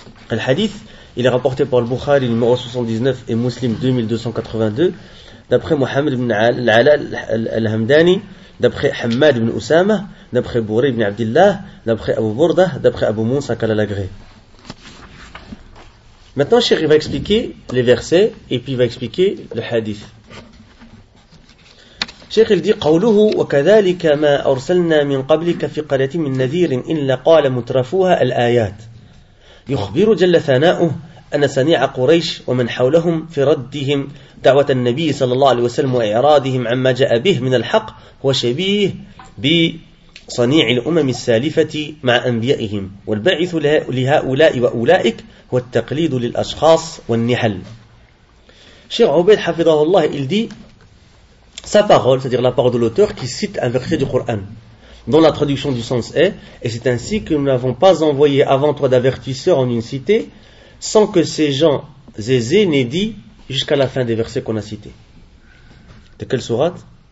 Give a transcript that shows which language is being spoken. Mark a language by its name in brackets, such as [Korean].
[French] Le hadith, il est rapporté par le Bukhari numéro 79 et Muslim 2282, d'après Muhammad ibn al-Ala al-Hamdani, d'après Hamad ibn Usama, d'après Bouri ibn Abdillah, d'après Abu Burda, d'après Abu Moussa Kalalagré. Maintenant, Cheikh va expliquer les versets et puis va expliquer le hadith. Cheikh il dit [Arabic] قَوْلُهُ وَكَذَلِكَ مَا أَرْسَلْنَا مِنْ قَبْلِكَ فِي قَرْيَةٍ مِنْ نَذِيرٍ إِلَّا قَالَ مُتْرَفُوهَا الْآيَاتِ يُخْبِرُ جَلَّ ثَنَاؤُهُ أن صنيع قريش ومن حولهم في ردهم دعوة النبي صلى الله عليه وسلم وإعراضهم عما جاء به من الحق هو شبيه بصنيع الأمم السالفة مع أنبيائهم والبعث لهؤلاء وأولئك هو التقليد للأشخاص والنحل. شيخ عبيد حفظه الله [French] il dit sa parole, c'est-à-dire la parole de l'auteur qui cite un verset du Coran, dont la traduction du sens est, et c'est ainsi que nous n'avons pas envoyé avant toi d'avertisseurs en une cité, sans que ces gens aisés n'aient dit jusqu'à la fin des versets qu'on a cités. De quelle sourate?